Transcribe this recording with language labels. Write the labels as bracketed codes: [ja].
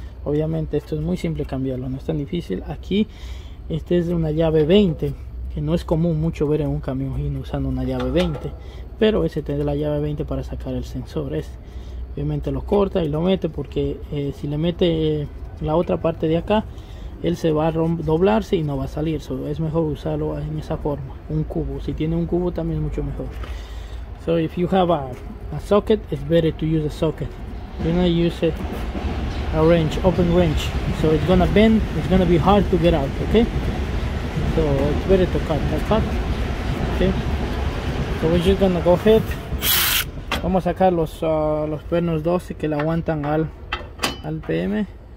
[es] Obviamente, esto es muy simple cambiarlo, no es tan difícil. Aquí, este es de una llave 20, que no es común mucho ver en un camión usando una llave 20. Pero ese tiene la llave 20 para sacar el sensor. Obviamente lo corta y lo mete, porque si le mete la otra parte de acá, él se va a doblarse y no va a salir. So, es mejor usarlo en esa forma, un cubo. Si tiene un cubo también es mucho mejor. [en] So if you have a socket, it's better to use a socket. You're gonna use a wrench, open wrench. So it's gonna bend, it's gonna be hard to get out, okay? So it's better to cut that part, okay? So we're just gonna go ahead. [es] Vamos a sacar los pernos 12 que le aguantan al PM.